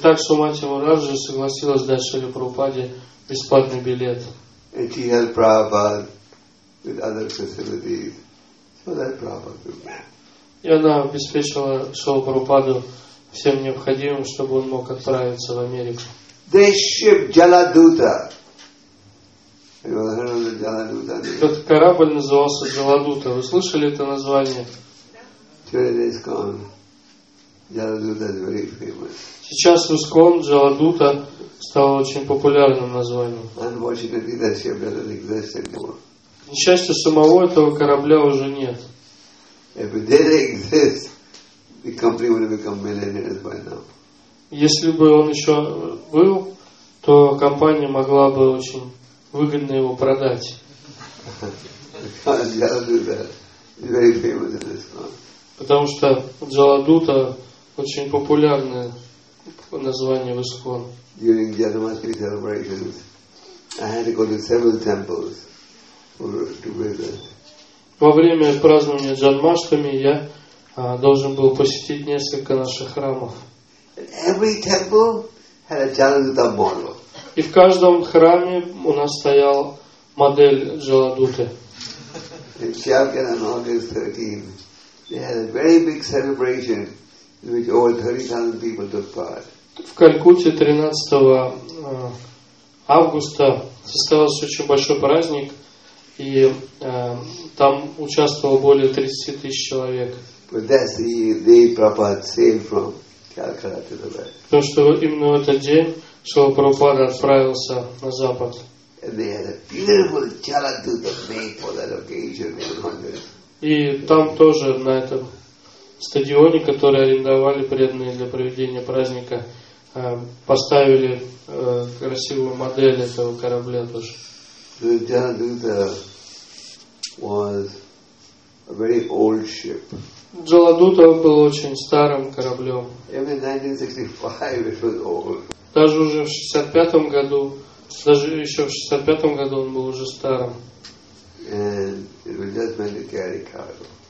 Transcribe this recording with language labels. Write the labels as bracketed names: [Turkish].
[Russian] Так Шримати Махараджи согласилась дать Шриле Прабхупаде бесплатный билет. [English] And she helped Prabhupada with other facilities so that Prabhupada could be. [Russian] И она обеспечила Шриле Прабхупаде всем необходимым, чтобы он мог отправиться в Америку. [English] This ship, Jaladuta. You heard of the Jaladuta? [Russian] Этот корабль назывался Jaladuta. Вы слышали это название? [English] Today's con. Jaladuta is very famous. [Russian] Сейчас в Искон Jaladuta стало очень популярным названием. [English] Unfortunately, that ship doesn't exist anymore. [Russian] Несчастье, самого этого корабля уже нет. [English] If it did exist, the company would have become millionaires by now. [Russian] Если бы он еще был, то компания могла бы очень выгодно его продать. [English] Jaladuta is very famous in Искон. [Russian] Потому что Jaladuta очень популярное название в Искон. [English] During Janmashtami celebrations, I had to go to several temples to visit. [Russian] Во время празднования Джанмаштами я должен был посетить несколько наших храмов. [English] Every temple had a Jaladuta model. [Russian] И в каждом храме у нас стоял модель Jaladuta. [English] In Chalkin on August 13th, they had a very big celebration in which over 30,000 people took part. [Russian] В Калькутте 13 августа состоялся очень большой праздник, и там участвовало более 30 тысяч человек. [English] But that's the day Prabhupada sailed from Calcutta to the west. [Russian] Потому что именно в этот день Шрила Прабхупада отправился на запад. [English] And they had a beautiful Jaladuta made for that occasion in London. [Russian] И там тоже, на этом стадионе, который арендовали преданные для проведения праздника, поставили красивую модель этого корабля тоже. [English] The Jaladuta was a very old ship. [Russian] Jaladuta был очень старым кораблем. [English] Even in 1965 it was old. [Russian] Даже уже в 65-м году, даже еще в 65-м году он был уже старым. [English] And it was just meant to carry cargo.